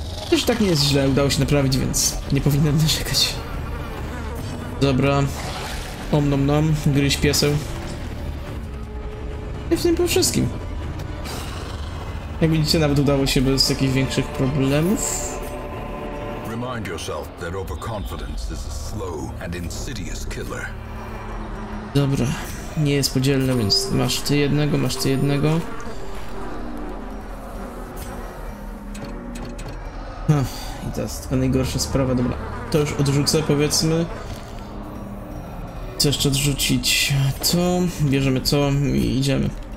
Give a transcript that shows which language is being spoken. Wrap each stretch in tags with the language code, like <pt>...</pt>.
<pl>Też tak nie jest źle, udało się naprawić, więc nie powinienem narzekać. Dobra. Om nom nom, gryź pieseł. I w tym po wszystkim. Jak widzicie, nawet udało się bez jakichś większych problemów.</pl> <en>Remind yourself that overconfidence is a slow and insidious killer.</en> <pl>Dobra, nie jest podzielne, więc masz ty jednego, masz ty jednego. I to jest ta najgorsza sprawa, dobra. To już odrzucę, powiedzmy. Chcę jeszcze odrzucić to, bierzemy to i idziemy.</pl>